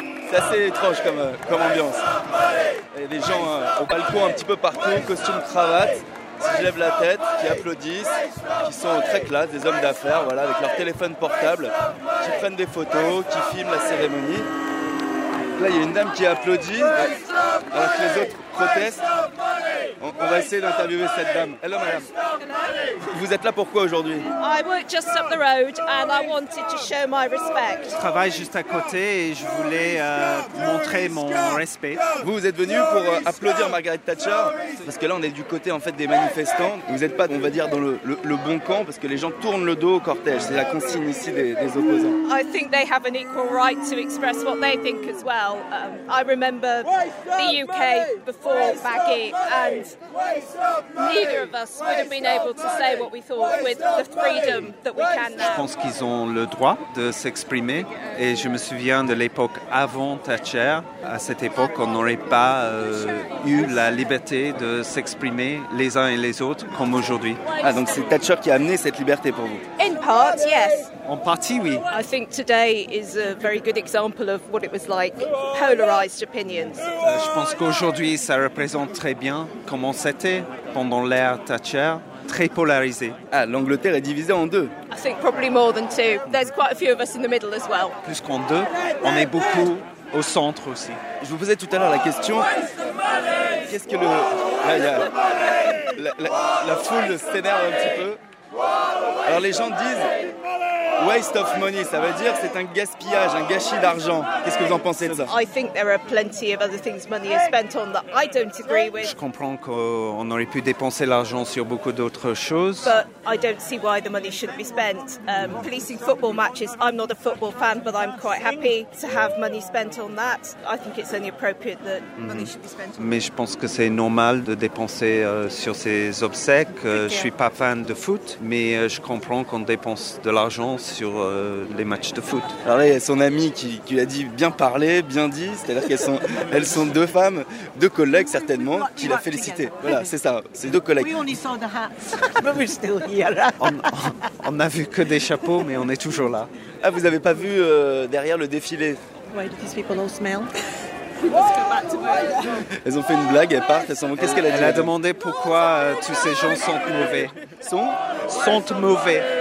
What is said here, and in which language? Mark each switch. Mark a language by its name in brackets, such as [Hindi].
[French] C'est assez étrange comme ambiance. Il y a des gens au balcon un petit peu partout, costume cravate, qui lèvent la tête, qui applaudissent, qui sont très classe, des hommes d'affaires, voilà, avec leur téléphone portable, qui prennent des photos, qui filment la cérémonie. Là, il y a une dame qui applaudit alors que les autres protestent. On va essayer d'interviewer cette dame. Hello, madame. Vous êtes là pourquoi aujourd'hui? [English] I work just up the road and I wanted to show my respect. [French] Je travaille juste à côté et je voulais montrer mon respect. Vous êtes venu pour applaudir Margaret Thatcher parce que là on est du côté en fait des manifestants. Vous n'êtes pas, on va dire, dans le bon camp parce que les gens tournent le dos au cortège. C'est la consigne ici des opposants. [English] I think they have an equal right to express what they think as well. I remember the UK before Maggie and neither of us would have been able to say what we thought with the freedom that we can now. [French] Je pense qu'ils ont le droit de s'exprimer et je me souviens de l'époque avant Thatcher. À cette époque, on n'aurait pas eu la liberté de s'exprimer les uns et les autres comme aujourd'hui. Ah, donc c'est Thatcher qui a amené cette liberté pour vous. [English] In part, yes. [French] En partie, oui. [English] I think today is a very good example of what it was like, polarized opinions. [French] Je pense qu'aujourd'hui, ça représente très bien comment c'était pendant l'ère Thatcher, très polarisé. Ah, l'Angleterre est divisée en deux. [English] I think probably more than two. There's quite a few of us in the middle as well. [French] Plus qu'en deux, on est beaucoup au centre aussi. Je vous posais tout à l'heure la question. Qu'est-ce que le... Là, y a... la foule s'énerve un petit peu. Alors les gens disent... [English] Waste of money, [French] ça veut dire c'est un gaspillage, un gâchis d'argent. Qu'est-ce que vous en pensez de ça? [English] I think there are plenty of other things money is spent on that I don't agree with. [French] Je comprends qu'on aurait pu dépenser l'argent sur beaucoup d'autres choses. [English] But I don't see why the money shouldn't be spent. Policing football matches, I'm not a football fan, but I'm quite happy to have money spent on that. I think it's only appropriate that money should be spent on that. [French] Mais je pense que c'est normal de dépenser sur ces obsèques. Je suis pas fan de foot, mais je comprends qu'on dépense de l'argent sur les matchs de foot. Alors là, il y a son amie qui lui a dit bien parlé, bien dit, c'est-à-dire qu'elles sont deux femmes, deux collègues certainement, qui l'a félicité. Voilà, c'est ça, c'est deux collègues. [English] We only saw the hats, but we're still here. [French] On n'a vu que des chapeaux, mais on est toujours là. Ah, vous n'avez pas vu derrière le défilé? [English] Why do these people all smell? [French] Elles ont fait une blague, elles partent, elles sont... Qu'est-ce qu'elle a dit? Elle a demandé pourquoi tous ces gens sentent mauvais. Sont mauvais.